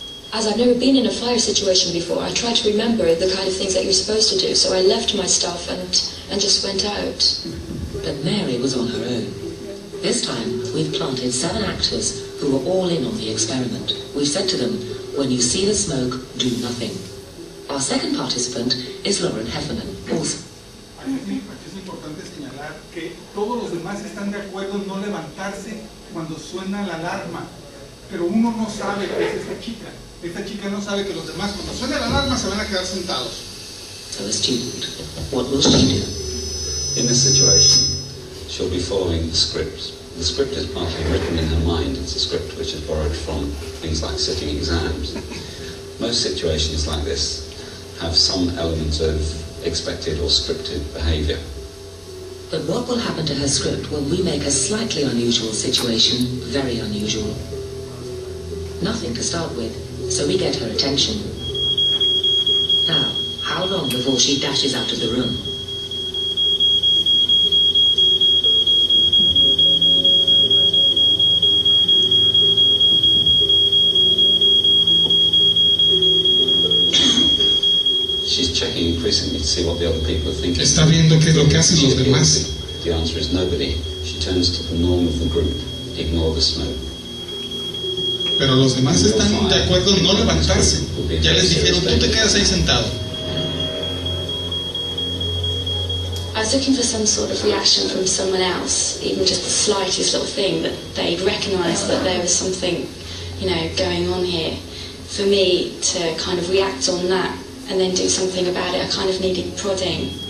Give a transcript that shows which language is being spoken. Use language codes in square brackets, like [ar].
[en] As I've never been in a fire situation before, I tried to remember the kind of things that you're supposed to do, so I left my stuff and just went out. But Mary was on her own. This time, we've planted 7 actors who were all in on the experiment. We've said to them, when you see the smoke, do nothing. Our second participant is Lauren Heffernan. Awesome. [es] Es importante señalar que todos los demás están de acuerdo en no levantarse cuando suena la alarma, pero uno no sabe que es esta chica. Esta chica no sabe que los demás cuando suena la alarma se van a quedar sentados. [en] So the student, what will she do? In this situation, she'll be following the script. The script is partly written in her mind. It's a script which is borrowed from things like sitting exams. Most situations like this have some element of expected or scripted behavior. But what will happen to her script when we make a slightly unusual situation very unusual? Nothing to start with, so we get her attention. Now, how long before she dashes out of the room? Increasingly to see what the other people are thinking. [es] Está viendo qué es lo que hacen los demás. [en] The answer is nobody. She turns to the norm of the group. Ignore the smoke. [es] Pero los demás están de acuerdo en no levantarse. Ya les dijeron, tú te quedas ahí sentado. [en] I was looking for some sort of reaction from someone else, even just the slightest little thing that they'd recognize that there was something, you know, going on here, for me to kind of react on that. And then do something about it. I kind of needed prodding.